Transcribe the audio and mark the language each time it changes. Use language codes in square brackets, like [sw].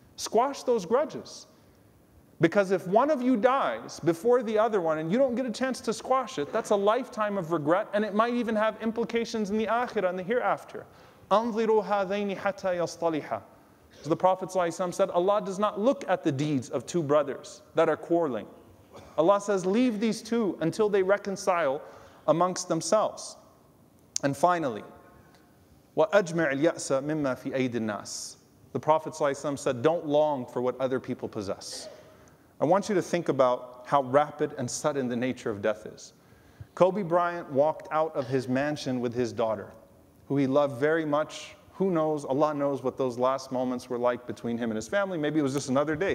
[en] Squash those grudges. Because if one of you dies before the other one and you don't get a chance to squash it, that's a lifetime of regret, and it might even have implications in the akhirah, in the hereafter. [ar] أَنْظِرُوا هَذَيْنِ حَتَّى يَصْطَلِحَا. [en] The Prophet ﷺ said, Allah does not look at the deeds of two brothers that are quarreling. Allah says, leave these two until they reconcile amongst themselves. And finally, [ar] وَأَجْمِعِ الْيَأْسَ مِمَّا فِي أَيْدِ النَّاسِ. [en] The Prophet ﷺ said, don't long for what other people possess. I want you to think about how rapid and sudden the nature of death is. Kobe Bryant walked out of his mansion with his daughter, who he loved very much. Who knows? Allah knows what those last moments were like between him and his family. Maybe it was just another day.